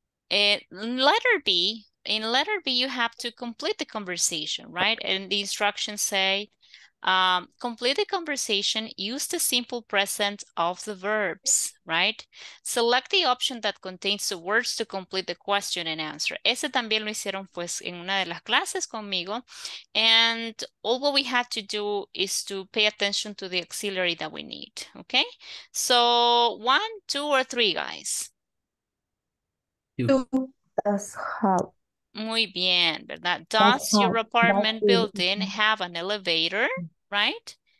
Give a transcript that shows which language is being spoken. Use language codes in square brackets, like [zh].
[en] In letter B, you have to complete the conversation, right? And the instructions say, complete the conversation, use the simple present of the verbs, right? Select the option that contains the words to complete the question and answer. [es] Ese también lo hicieron pues en una de las clases conmigo. [en] And all what we have to do is to pay attention to the auxiliary that we need, okay? So one, two, or three, guys? Two. That's how. [es] Muy bien, ¿verdad? [en] Does your apartment building have an elevator, right?